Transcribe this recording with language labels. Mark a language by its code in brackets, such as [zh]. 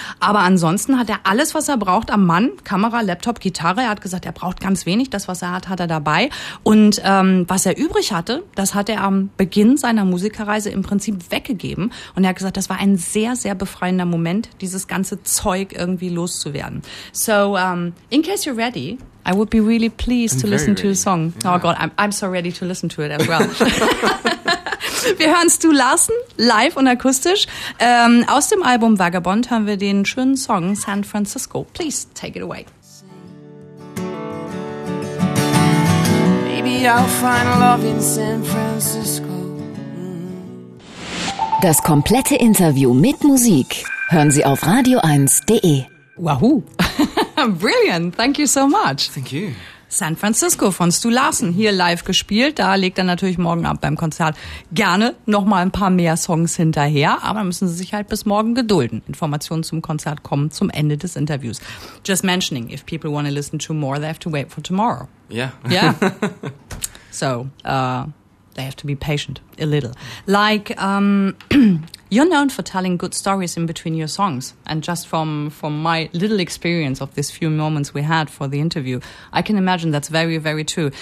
[de] Aber ansonsten hat er alles, was er braucht am Mann, Kamera, Laptop, Gitarre. Er hat gesagt, er braucht ganz wenig. Das, was er hat, hat er dabei. Und was er übrig hatte, das hat er am Beginn seiner Musikerreise im Prinzip weggegeben. Und er hat gesagt, das war ein sehr, sehr befreiender Moment, dieses ganze Zeug irgendwie loszuwerden. [en] So, in case you're ready, I would be really pleased to listen to a song. Yeah. Oh God, I'm so ready to listen to it as well. [de] Wir hören Stu Larsen live und akustisch. Aus dem Album Vagabond hören wir den schönen Song San Francisco. [en] Please take it away. I'll find love in San Francisco. [de] Das komplette Interview mit Musik hören Sie auf radio1.de. [en] Wahoo! Brilliant! Thank you so much! Thank you! [de] San Francisco von Stu Larsen, hier live gespielt. Da legt er natürlich morgen ab beim Konzert gerne noch mal ein paar mehr Songs hinterher. Aber müssen Sie sich halt bis morgen gedulden. Informationen zum Konzert kommen zum Ende des Interviews. [en] Just mentioning, if people want to listen to more, they have to wait for tomorrow. Yeah. Yeah. So, they have to be patient a little. Like, you're known for telling good stories in between your songs. And just from my little experience of this few moments we had for the interview, I can imagine that's very, very true.